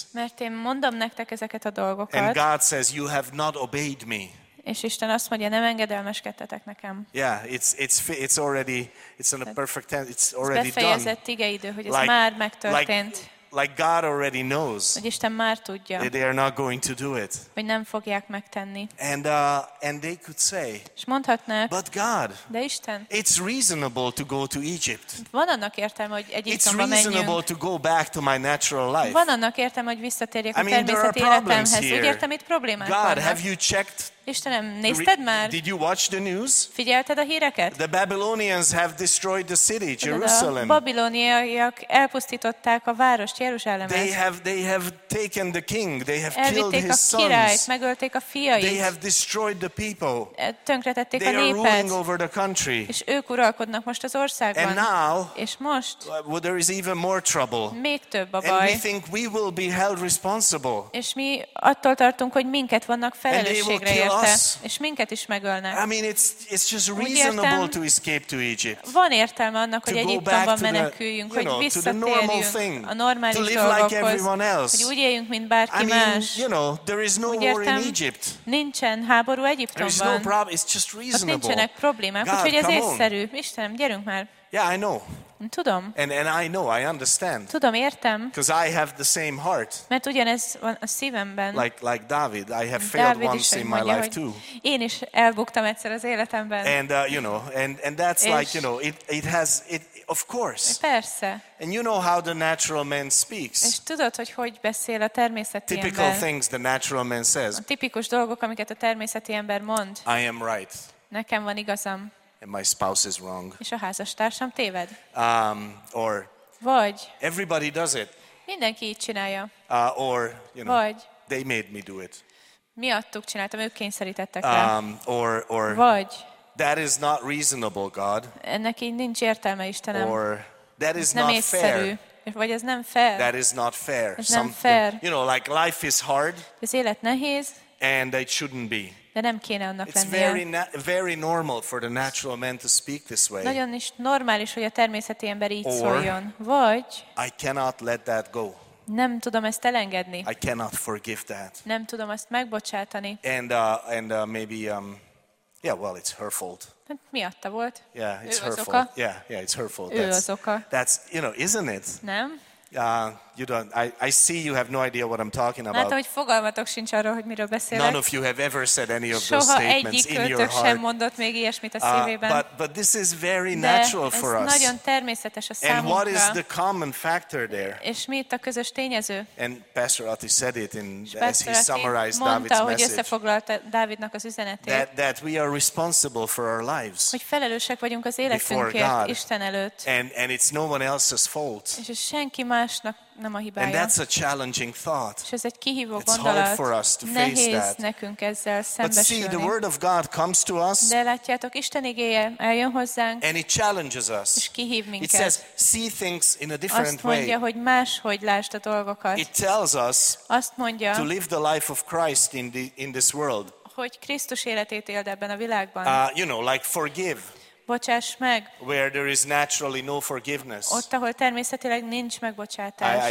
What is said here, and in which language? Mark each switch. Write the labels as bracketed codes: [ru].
[hu] Mert én mondom nektek ezeket a dolgokat. [en] And God says you have not obeyed me. [hu] És Isten azt mondja, nem engedelmeskedtetek nekem. [en] Yeah, it's already it's in a perfect tense. It's already done. [hu] Befejezett igeidő, hogy ez like, már megtörtént. [en] Like God already knows. [hu] Hogy Isten már tudja. [en] They are not going to do it. [hu] Hogy nem fogják megtenni. [en] And they could say. [hu] És mondhatnák. [en] But God. [hu] De Isten. [en] It's reasonable to go to Egypt. [hu] Van annak értelme, hogy Egyiptomba menjünk. [en] It's reasonable to go back to my natural life. [hu] Van annak értelme, hogy visszatérjek a természeti életemhez. Úgy értem, itt problémák vannak. [en] God, have you checked [hu] Istenem, nézted már? [en] Did you watch the news? [hu] Figyelted a híreket? [en] The Babylonians have destroyed the city, Jerusalem. [hu] A babiloniaiak elpusztították a várost, Jeruzsálemet. [en] They have taken the king. They have [hu] Elvitték [en] killed his [hu] a királyt, [en] sons. [hu] Megölték a fiait. [en] They have destroyed the people. [hu] Tönkretették [en] they [hu] a népet. [en] They are ruling over the country. [hu] És ők uralkodnak most az országban. [en] And now, [hu] és most, [en] well, there is even more trouble. [hu] Még több a [en] and [hu] baj. [en] And we think we will be held responsible. [hu] És mi attól tartunk, hogy minket vannak felelősségre. És minket is megölnek. [en] I mean, it's just reasonable to escape to Egypt. [hu] Van értelme annak, hogy Egyiptomban meneküljünk, hogy visszatérjünk a normális dolgokhoz, hogy úgy éljünk, mint bárki más. [en] You know, there is no war in Egypt. [hu] Nincsen háború Egyiptomban. [en] There is no problem. It's just reasonable. [hu] Ott nincsenek problémák, úgyhogy ez észszerű. Istenem, gyerünk már. [en] Yeah, I know. [hu] Tudom. [en] And I know, I understand. [hu] Tudom, értem. [en] Because I have the same heart. [hu] Mert ugyanez van a szívemben. [en] Like David, I have failed [hu] Dávid [en] once in my life too. [hu] Én is elbuktam egyszer az életemben. [en] And you know, and that's like, you know, it has it of course. [hu] Persze. [en] And you know how the natural man speaks. [hu] És tudod, hogy beszél a természeti ember. [en] Typical things the natural man says. [hu] A tipikus dolgok, amiket a természeti ember mond. [en] I am right. [hu] Nekem van igazam. [en] And my spouse is wrong. [hu] És a házastársam téved. [en] Or. [hu] Vagy. [en] Everybody does it. [hu] Mindenki így csinálja. [en] Or, you know. [hu] Vagy. [en] They made me do it. [hu] Miattuk csináltam, ők kényszerítettek rá. Or. Vagy. [en] That is not reasonable, God. [hu] Ennek így nincs értelme, Istenem. [en] Or. That is [hu] ez nem [en] not [hu] észszerű. [en] Fair. [hu] Vagy ez nem fair. [en] That is not fair. [hu] Ez nem fair. [en] You know, like life is hard. [hu] Ez élet nehéz. [en] And it shouldn't be. [hu] De nem kéne annak [en] lennie. It's very normal for the natural man to speak this way. [hu] Nagyon is normális, hogy a természeti ember így szóljon. Vagy [en] I cannot let that go. [hu] Nem tudom ezt elengedni. [en] I cannot forgive that. [hu] Nem tudom ezt megbocsátani. [en] And maybe yeah, well, it's her fault. [hu] Miatta volt. [en] Yeah, it's [hu] ő [en] her [hu] az [en] fault. [hu] Oka. [en] Yeah, it's her fault. [hu] Ő az oka. [en] That's, you know, isn't it? [hu] Nem. [en] You don't. I see you have no idea what I'm talking about. [hu] Látom, hogy fogalmatok sincs arról, hogy miről beszélek. [en] None of you have ever said any of [hu] soha [en] those statements in your heart. [hu] Soha egyik sem mondott még ilyesmit a szívében. [en] But this is very [hu] De [en] natural for us. [hu] De ez nagyon természetes a számunkra. [en] And what is the common factor there? [hu] És mi itt a közös tényező? [en] And Pastor Ati said it in as he summarized [hu] mondta, [en] David's message. [hu] Mondta, hogy összefoglalta Dávidnak az üzenetét. [en] That we are responsible for our lives. [hu] Hogy felelősek vagyunk az életünkért Isten előtt. [en] And it's no one else's fault. [hu] És ez senki másnak nem a hibája. [en] And that's a challenging thought. [hu] És ez egy kihívó [en] it's [hu] gondolat. [en] Hard for us to face [hu] nehéz [en] that. [hu] Nekünk ezzel szembesülni. [en] But see, the word of God comes to us. [hu] De látjátok, Isten igéje eljön hozzánk. [en] And it challenges us. [hu] És kihív minket. [en] It says, see things in a different [hu] way. Azt mondja, [en] way. [hu] Hogy máshogy lásd a dolgokat. [en] It tells us [hu] azt mondja, [en] to live the life of Christ in this world. [hu] Hogy Krisztus életét éld ebben a világban. [en] You know, like forgive. [hu] Bocsáss meg. [en] Where there is naturally no forgiveness. [hu] Ott, ahol természetileg nincs megbocsátás.